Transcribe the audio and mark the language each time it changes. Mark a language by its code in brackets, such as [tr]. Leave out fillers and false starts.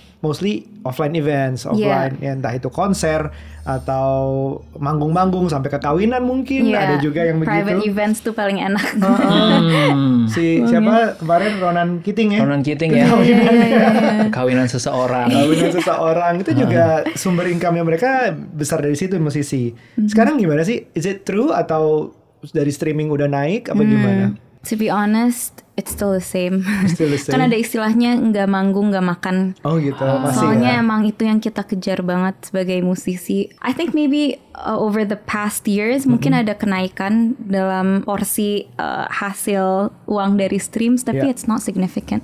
[en] mostly offline events, offline yeah. [id] entah itu konser atau manggung-manggung sampai ke kawinan mungkin yeah. ada juga yang [en] private [id] begitu. [en] Private events [id] tuh paling enak. Si siapa kemarin Ronan Keating ya? Ronan Keating ya. Kawinan, yeah, yeah, yeah. kawinan seseorang. Kawinan seseorang itu juga sumber income yang mereka besar dari situ musisi. Sekarang gimana sih? [en] Is it true [id] atau dari streaming udah naik apa gimana? [en] To be honest, it's still the same. Still the same. [id] Kan ada istilahnya nggak manggung nggak makan. Oh gitu. Oh. Soalnya ya? Emang itu yang kita kejar banget sebagai musisi. [en] I think maybe over the past years [id] mungkin ada kenaikan dalam porsi hasil uang dari [en] streams, [id] tapi [en] yeah. it's not significant